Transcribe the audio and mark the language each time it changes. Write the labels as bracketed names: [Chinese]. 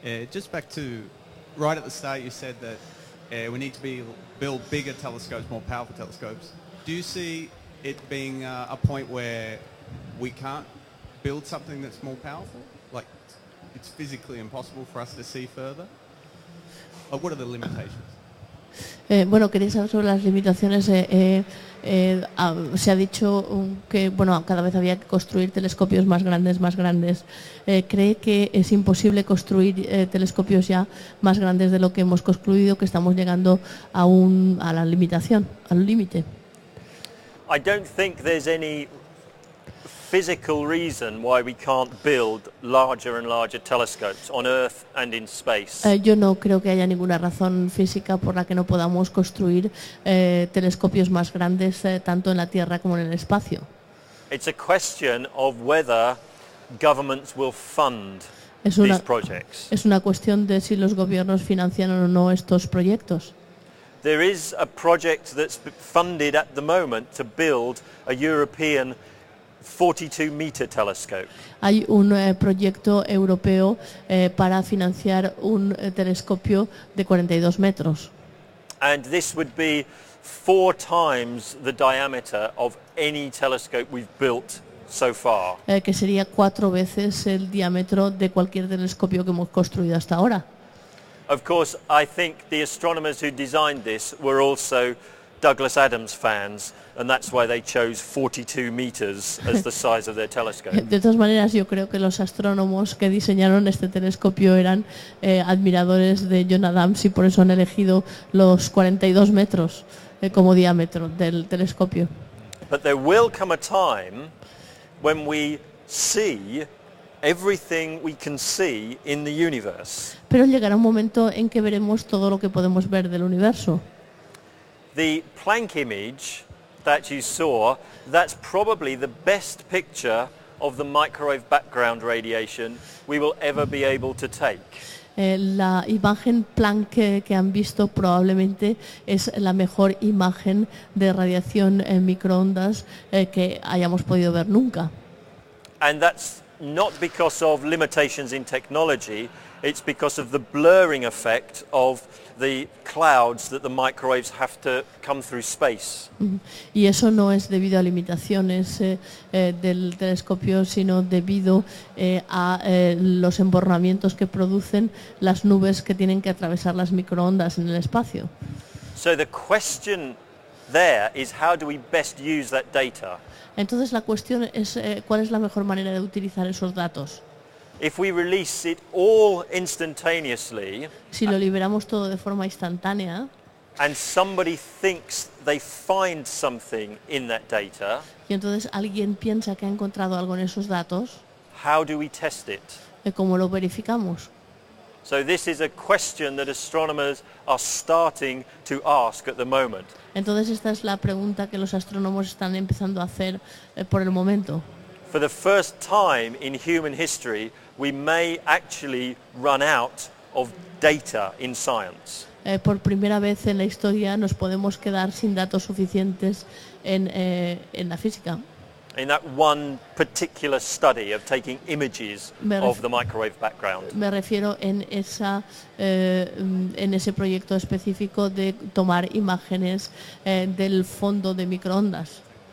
[English] Just back to right at the start, you said that we need to build bigger telescopes, more powerful telescopes. Do you see it being a point where we can't build something that's more powerful? Like, it's physically impossible for us to see further? Or what are the limitations? [Spanish] Quería saber sobre las limitaciones. Se ha dicho que cada vez había que construir telescopios más grandes. ¿Cree que es imposible construir telescopios ya más grandes de lo que hemos construido, que estamos llegando a la limitación, al límite? [English] I don't think there's any physical reason why we can't build larger and larger telescopes on Earth and in space. [Spanish] Yo no creo que haya ninguna razón física por la que no podamos construir telescopios más grandes tanto en la Tierra como en el espacio. [English] It's a question of whether governments will fund these projects. [Spanish] Es una cuestión de si los gobiernos financian o no estos proyectos. [English] There is a project that's funded at the moment to build a European 42-meter telescope. [Spanish] Hay un proyecto europeo para financiar un telescopio de 42 metros. [English] And this would be four times the diameter of any telescope we've built so far. [Spanish] Que sería cuatro veces el diámetro de cualquier telescopio que hemos construido hasta ahora. [English] Of course, I think the astronomers who designed this were also Douglas Adams fans, and that's why they chose 42 meters as the size of their telescope. [Spanish] De todas maneras, yo creo que los astrónomos que diseñaron este telescopio eran admiradores de John Adams, y por eso han elegido los 42 metros como diámetro del telescopio. [English] But there will come a time when we see everything we can see in the universe. [Spanish] Pero llegará un momento en que veremos todo lo que podemos ver del universo. [English] The Planck image that you saw, that's probably the best picture of the microwave background radiation we will ever be able to take. [Spanish] La imagen Planck que han visto probablemente es la mejor imagen de radiación en microondas que hayamos podido ver nunca. [English] And that's not because of limitations in technology, it's because of the blurring effect of the clouds that the microwaves have to come through space. [Spanish] Y eso no es debido a limitaciones del telescopio, sino debido a los emborronamientos que producen las nubes que tienen que atravesar las microondas en el espacio. [English] So the question there is, how do we best use that data? [Spanish] Entonces la cuestión es cuál es la mejor manera de utilizar esos datos. [English] If we release it all instantaneously, [Spanish] si lo liberamos todo de forma instantánea, [English] and somebody thinks they find something in that data, [Spanish] y entonces alguien piensa que ha encontrado algo en esos datos, [English] how do we test it? [Spanish] ¿Cómo lo verificamos? [English] So this is a question that astronomers are starting to ask at the moment. [Spanish] Entonces esta es la pregunta que los astrónomos están empezando a hacer por el momento. [English] For the first time in human history, we may actually run out of data in science. [Spanish] Por primera vez en la historia nos podemos quedar sin datos suficientes en la física. [English] In that one particular study of taking images of the microwave background. [Spanish] Me refiero en esa en ese proyecto específico de tomar imágenes del fondo de microondas.